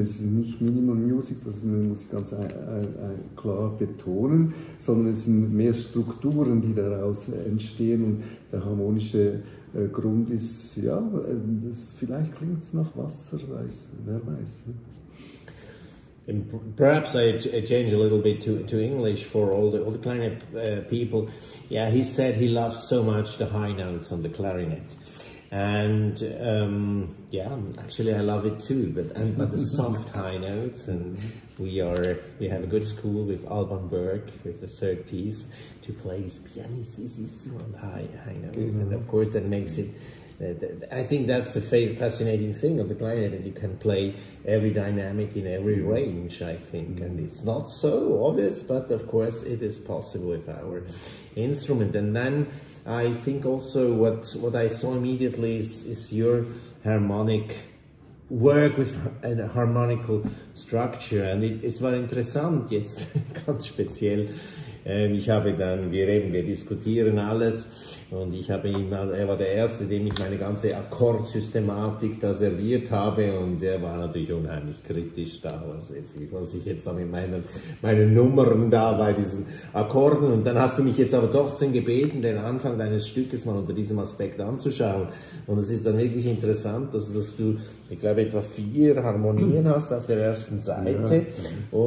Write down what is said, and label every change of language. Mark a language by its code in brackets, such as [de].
[de] Es ist nicht Minimal Music, das muss ich ganz klar betonen, sondern es sind mehr Strukturen, die daraus entstehen und der harmonische Grund ist, ja, vielleicht klingt es nach Wasser, wer weiß. [en] And perhaps I change a little bit to English for all the [de] kleine [en] people. Yeah, he said he loves so much the high notes on the clarinet. And yeah, actually I love it too, but the soft high notes, and we have a good school with Alban Berg with the third piece to play his pianissimo on the high note. Mm-hmm. And of course that makes it, I think that's the fascinating thing of the clarinet, that you can play every dynamic in every range, I think. Mm-hmm. And it's not so obvious, but of course it is possible with our instrument. And then I think also what I saw immediately is your harmonic work with a harmonical structure. [de] And es war interessant jetzt, ganz speziell. Ich habe dann, wir diskutieren alles und er war der Erste, dem ich meine ganze Akkordsystematik da serviert habe und er war natürlich unheimlich kritisch da, was ich jetzt da mit meinen Nummern da bei diesen Akkorden, und dann hast du mich jetzt aber trotzdem gebeten, den Anfang deines Stückes mal unter diesem Aspekt anzuschauen, und es ist dann wirklich interessant, dass du, ich glaube, etwa 4 Harmonien hast auf der ersten Seite, ja.